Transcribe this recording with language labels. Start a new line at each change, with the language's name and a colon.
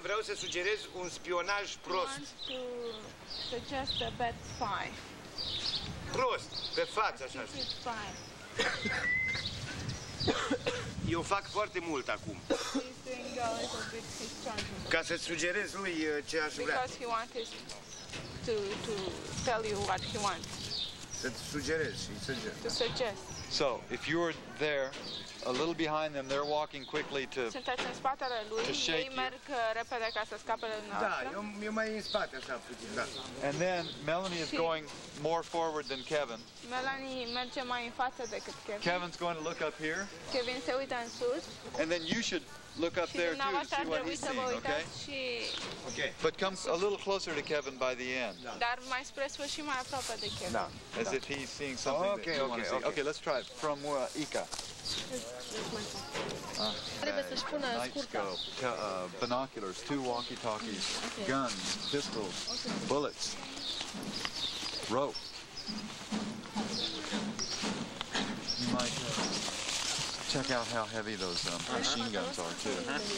Romanian: vreau să sugerez un spionaj prost.
English: Suggest a bad spy.
Romanian: Prost, pe față, așa. Eu fac foarte mult acum.
English: He's doing
Romanian: Ca să sugerez lui ce aș vrea.
English: Because he wanted to tell you what he wants.
Romanian: Să-ți sugerez și sugerez.
English: To suggest. So, if you were there, a little behind them, they're walking quickly to
Romanian: sunteți în spatele lui, ei merg repede ca să scape de noastră. Da, eu mai în spate așa puțin, da.
English: And then Melanie is going more forward than Kevin.
Romanian: Melanie merge mai în față decât Kevin.
English: Kevin's going to look up here.
Romanian: Kevin se uită în sus.
English: And then you should look up there too and see what he's seeing, okay? Okay. But come a little closer to Kevin by the end.
Romanian: Dar mai spre sfârșit și mai aproape de Kevin.
English: As if he's seeing something that you want to see. Okay, let's try it. From Ica. Nice scope. Binoculars, two walkie-talkies, guns, pistols, bullets, rope. You might check out how heavy those machine guns are, too.